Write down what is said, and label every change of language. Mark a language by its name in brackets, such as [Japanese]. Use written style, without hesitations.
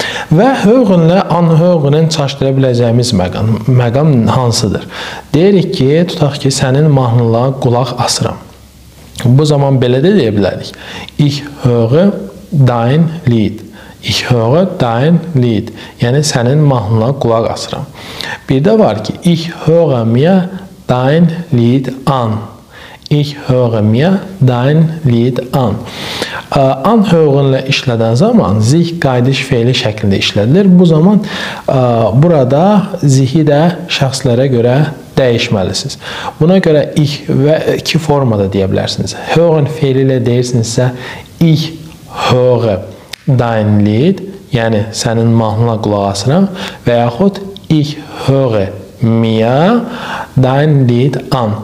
[Azerbaijani] Və hörünlə an hörünün çaşdıra biləcəyimiz məqam hansıdır? Deyirik ki, tutaq ki, sənin mahnına qulaq asıram. Bu zaman belə də deyə bilərik. [German] Ich höre dein Lied. Ich höre dein Lied. [Azerbaijani] Yəni, sənin mahnına qulaq asıram. Bir də var ki, [German] ich höre mir dein Lied an. Ich höre mir dein Lied an. [Azerbaijani] An hörünlə işlədən zaman zih qaydış feyli şəklində işlədilir. Bu zaman burada zihi də şəxslərə görə dəyişməlisiniz. Buna görə ich və iki formada deyə bilərsiniz. Hören feyli ilə deyirsinizsə [German] ich höre dein Lied, [Azerbaijani] yəni sənin mahnına qulaq asıram və yaxud [German] ich höre mia dein Lied an.